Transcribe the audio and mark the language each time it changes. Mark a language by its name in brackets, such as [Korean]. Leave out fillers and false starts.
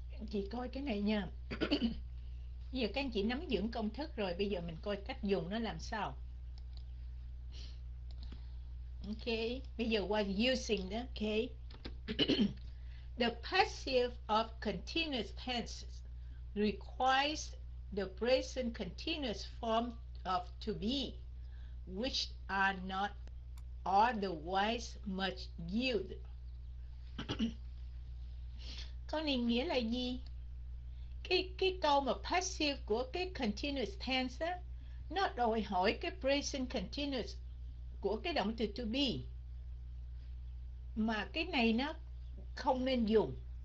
[Vietnamese] Chị coi cái này nha. Bây giờ các anh chị nắm vững công thức rồi, bây giờ mình coi cách dùng nó làm sao. Ok, bây giờ qua using đó, ok. [English] The passive of continuous tense requires the present continuous form of to be, which are not otherwise much used. [Vietnamese] Câu này nghĩa là gì? Cái câu mà passive của cái continuous tense á, nó đòi hỏi cái present continuous của cái động từ to be. Mà cái này nó không nên dùng.